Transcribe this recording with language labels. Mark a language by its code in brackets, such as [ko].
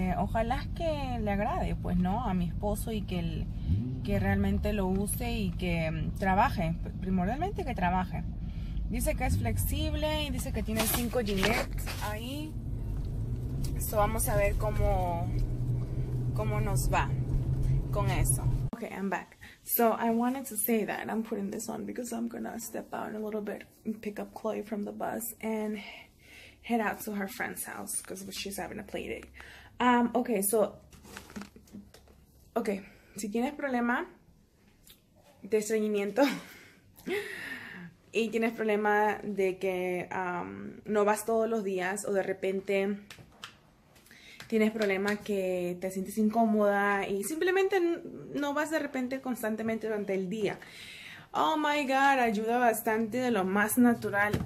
[en] Ojalá que le agrade, pues no, a mi esposo, y que que realmente lo use y que trabaje, primordialmente que trabaje. Dice que es flexible y dice que tiene 5 Gillette ahí. So vamos a ver cómo nos va con eso. Okay, I'm back. So I wanted to say that I'm putting this on because I'm gonna step out a little bit and pick up Chloe from the bus and head out to her friend's house because she's having a play date. [es] Okay, si tienes problema de estreñimiento y tienes problema de que no vas todos los días, o de repente tienes problema que te sientes incómoda y simplemente no vas de repente constantemente durante el día, [en] oh my God, [es] ayuda bastante, de lo más natural.